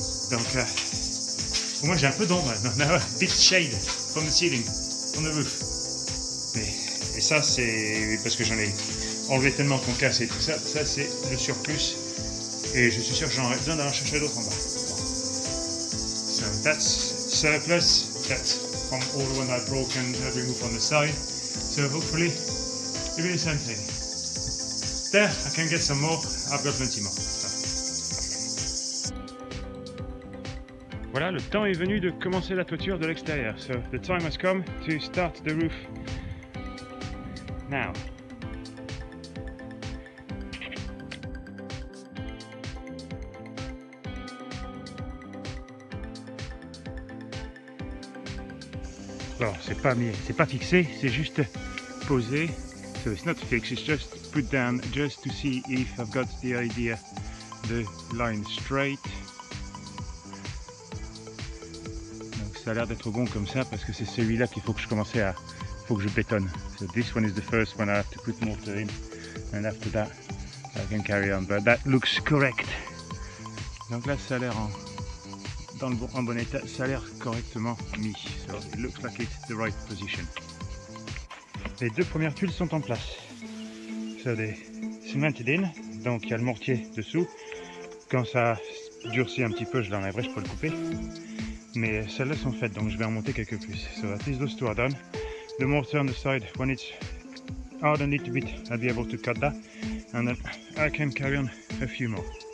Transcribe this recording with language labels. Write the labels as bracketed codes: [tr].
[fr] Donc pour moi j'ai un peu d'ombre, on a un [en] bit shade from the ceiling. [fr] On veut. Et ça c'est parce que j'en ai enlevé tellement qu'on casse et tout ça. Ça c'est le surplus. Et je suis sûr que j'en ai besoin d'aller chercher d'autres en bas. [en] So that's surplus. That's from all the ones I broke and every move on the side. So hopefully it'll be the same thing. There, I can get some more. I've got plenty more. So. [fr] Voilà, le temps est venu de commencer la toiture de l'extérieur. [en] So, the time has come to start the roof now. [fr] Alors, c'est pas fixé, c'est juste posé. [en] So, it's not fixed, it's just put down just to see if I've got the idea, the line straight. [fr] Ça a l'air d'être bon comme ça, parce que c'est celui-là qu'il faut que je commence faut que je bétonne. [en] So this one is the first one I have to put mortar in, and after that I can carry on. But that looks correct. [fr] Donc là ça a l'air en, dans le bon, en bon état, ça a l'air correctement mis. [en] So it looks like it's the right position. [fr] Les deux premières tuiles sont en place. [en] So they cemented in, [fr] donc il y a le mortier dessous. Quand ça durcit un petit peu, je l'enlèverai, je peux le couper. Mais celles-là sont faites, donc je vais en monter quelques plus. [en] So at least those two are done. The mortar on the side, when it's hardened a little bit, I'll be able to cut that. And then I can carry on a few more.